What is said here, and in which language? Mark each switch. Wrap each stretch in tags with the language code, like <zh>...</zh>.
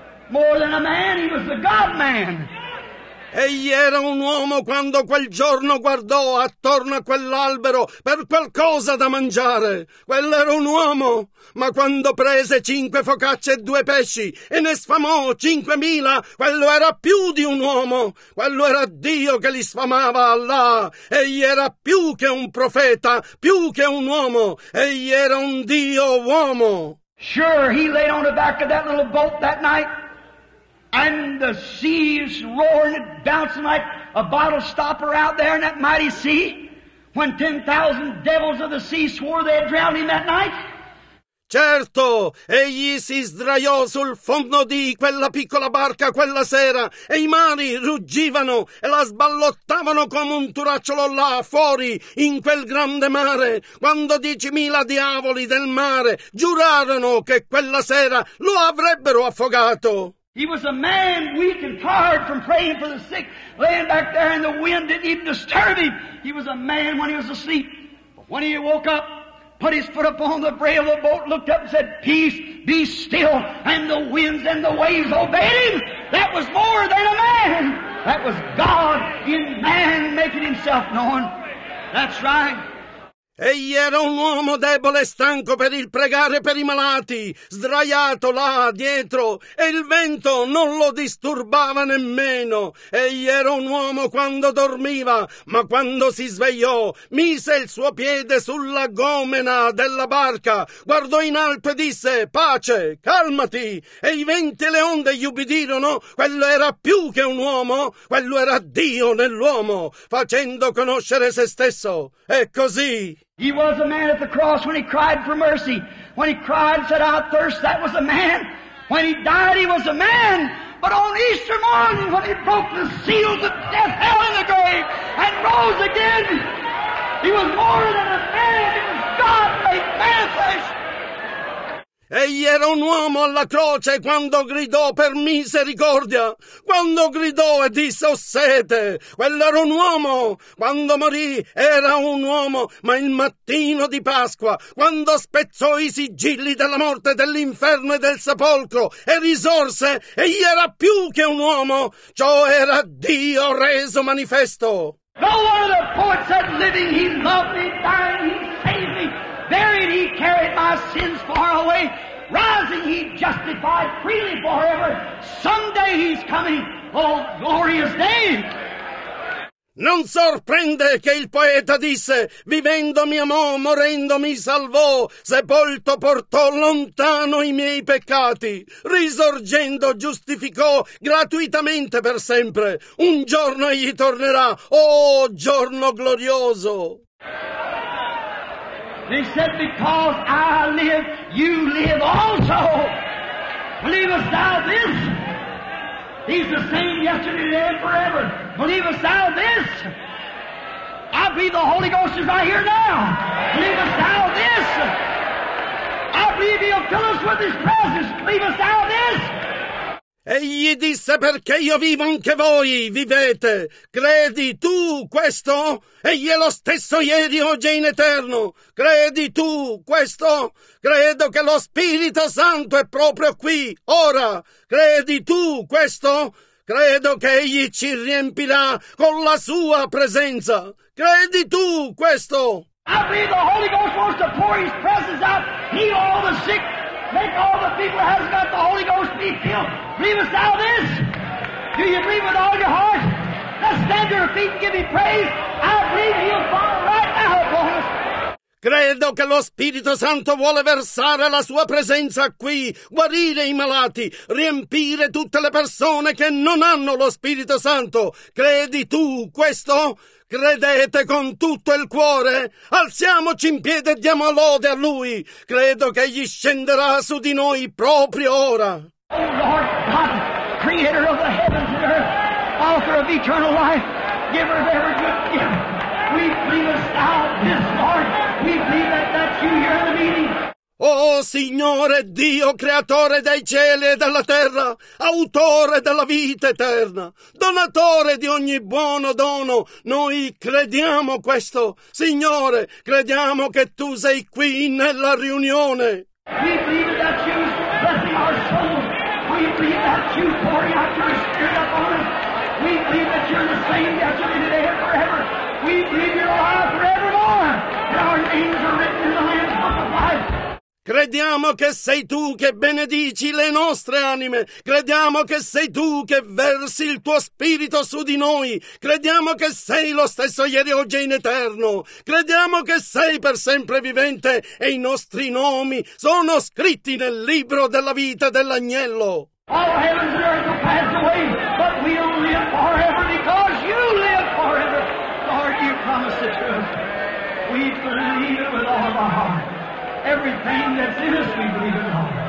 <en>More than a man. He was the God man.</en> <it>Egli era un uomo quando quel giorno guardò attorno a quell'albero per qualcosa da mangiare. Quello era un uomo. Ma quando prese 5 focacce e 2 pesci e ne sfamò 5,000, quello era più di un uomo. Quello era Dio che li sfamava là. Egli era più che un profeta, più che un uomo. Egli era un Dio uomo.</it> <en>Sure, he lay on the back of that little boat that night. And the seas roaring and bouncing like a bottle stopper out there in that mighty sea, when 10,000 devils of the sea swore they had drowned him that night.</en> <it>Certo, egli si sdraiò sul fondo di quella piccola barca quella sera e i mari ruggivano e la sballottavano come un turacciolo là fuori in quel grande mare quando 10,000 diavoli del mare giurarono che quella sera lo avrebbero affogato.</it> <en>He was a man weak and tired from praying for the sick, laying back there and the wind didn't even disturb him. He was a man when he was asleep. But when he woke up, put his foot upon the rail of the boat, looked up and said, Peace, be still, and the winds and the waves obeyed him. That was more than a man. That was God in man making himself known. That's right.</en> <it>Egli era un uomo debole e stanco per il pregare per i malati, sdraiato là dietro, e il vento non lo disturbava nemmeno. Egli era un uomo quando dormiva, ma quando si svegliò, mise il suo piede sulla gomena della barca, guardò in alto e disse, pace, calmati, e i venti e le onde gli ubbidirono, quello era più che un uomo, quello era Dio nell'uomo, facendo conoscere se stesso. E così.</it> <en>He was a man at the cross when he cried for mercy. When he cried and said, I thirst, that was a man. When he died, he was a man. But on Easter morning, when he broke the seals of death, hell, and the grave, and rose again, he was more than a man. He was God made manifest.</en> <it>Egli era un uomo alla croce quando gridò per misericordia, quando gridò e disse ho sete, quello era un uomo, quando morì era un uomo, ma il mattino di Pasqua, quando spezzò i sigilli della morte, dell'inferno e del sepolcro e risorse, egli era più che un uomo, ciò era Dio reso manifesto.</it> <en>No one of the poets said living, he loved me, dying, he saved me. Buried, he carried my sins far away. Rising, he justified freely forever. Someday he's coming. Oh, glorious day!</en> <it>Non sorprende che il poeta disse, vivendo mi amò, morendo mi salvò, sepolto portò lontano i miei peccati, risorgendo giustificò gratuitamente per sempre. Un giorno egli tornerà. Oh, giorno glorioso!</it> <en>He said, because I live, you live also. Believest thou this? He's the same yesterday, today, and forever. Believest thou this? I believe the Holy Ghost is right here now. Believest thou this? I believe he'll fill us with his presence. Believest thou this?</en> <it>Egli disse, perché io vivo anche voi, vivete. Credi tu questo? Egli è lo stesso ieri, oggi e in eterno. Credi tu questo? Credo che lo Spirito Santo è proprio qui, ora. Credi tu questo? Credo che egli ci riempirà con la sua presenza. Credi tu questo?</it> <en>I believe the Holy Ghost wants to pour his presence out, heal all the sick. Make all the people that hasn't got the Holy Ghost be filled. Believest thou this? Do you believe with all your heart? Let's stand to your feet and give me praise. I believe he'll fall right now upon us.</en> <it>Credo che lo Spirito Santo vuole versare la sua presenza qui, guarire i malati, riempire tutte le persone che non hanno lo Spirito Santo. Credi tu questo? Credete con tutto il cuore? Alziamoci in piedi e diamo lode a Lui. Credo che Egli scenderà su di noi proprio ora.</it> <en>Oh Lord God, creator of the heavens and earth, author of eternal life, giver of every good gift. We believest thou this, Lord. We believe that that's you here in the meeting.</en> <it>Oh Signore Dio, creatore dei cieli e della terra, autore della vita eterna, donatore di ogni buono dono, noi crediamo questo. Signore, crediamo che tu sei qui nella riunione.</it> <en>We believe that you blessing our soul. We believe that you pouring out your spirit upon us. We believe that you're the same yesterday, today, and forever. We believe you're alive forevermore. And our names are written in the Lamb's book of life.</en> <it>Crediamo che sei tu che benedici le nostre anime. Crediamo che sei tu che versi il tuo spirito su di noi. Crediamo che sei lo stesso ieri, oggi e in eterno. Crediamo che sei per sempre vivente e i nostri nomi sono scritti nel libro della vita dell'agnello.</it> <en>All heavens and earth will pass away, but we don't live forever because you live forever. Lord, you promise the truth. We believe it with all of our heart. Everything that's in us, we believe in all.</en>